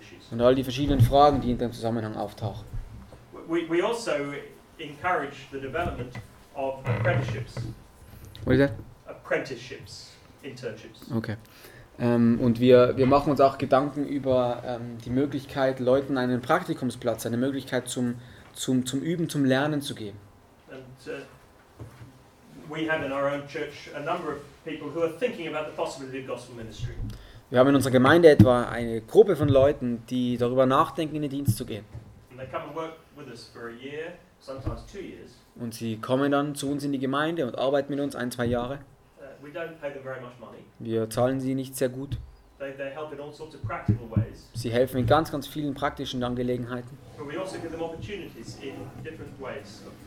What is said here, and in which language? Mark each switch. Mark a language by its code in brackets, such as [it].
[de] Und all die verschiedenen Fragen, die in dem Zusammenhang auftauchen. [en] We also encourage the development of apprenticeships. What is that? Apprenticeships, internships. Okay. [de] Und wir machen uns auch Gedanken über die Möglichkeit, Leuten einen Praktikumsplatz, eine Möglichkeit zum Üben, zum Lernen zu geben. [en] We have in our own church a number of people who are thinking about the possibility of gospel ministry. [de] Wir haben in unserer Gemeinde etwa eine Gruppe von Leuten, die darüber nachdenken, in den Dienst zu gehen. [en] And they come and work with us for a year, sometimes 2 years. [de] Und sie kommen dann zu uns in die Gemeinde und arbeiten mit uns 1-2 Jahre. [en] We don't pay them very much money. [de] Wir zahlen sie nicht sehr gut. [en] They help in all sorts of practical ways. [de] Sie helfen in ganz, ganz vielen praktischen Angelegenheiten. [en] But we also give them opportunities in different ways.